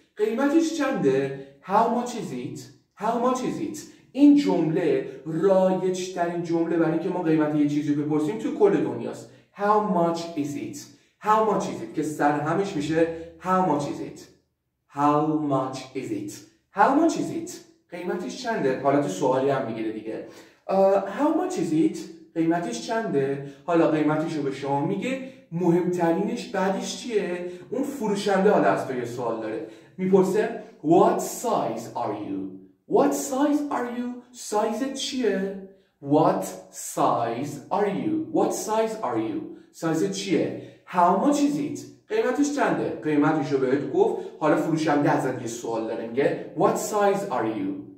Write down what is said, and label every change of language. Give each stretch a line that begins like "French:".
Persian: قیمتش چنده؟
English: How much is it? How much is it?
Persian: این جمله رایج‌ترین جمله برای که ما قیمت یه چیزی بپرسیم تو کل دنیاست.
English: How much is it? How much is it?
Persian: که سر همش میشه
English: How much is it? How much is it? How much is it?
Persian: قیمتش چنده؟ حالا تو سوالی هم میگیره دیگه.
English: How much is it?
Persian: قیمتش چنده؟ حالا قیمتش رو به شما میگه. مهمترینش بعدش چیه؟ اون فروشنده حالا از تو یه سوال داره. میپرسه
English: What size are you? What size are you?
Persian: سایزت چیه؟
English: What size are you? What size are you?
Persian: سایزه چیه؟
English: How much is it?
Persian: قیمتش چنده؟ قیمتش رو بهت گفت. حالا فروشنده ازت یه سوال داره، میگه
English: What size are you?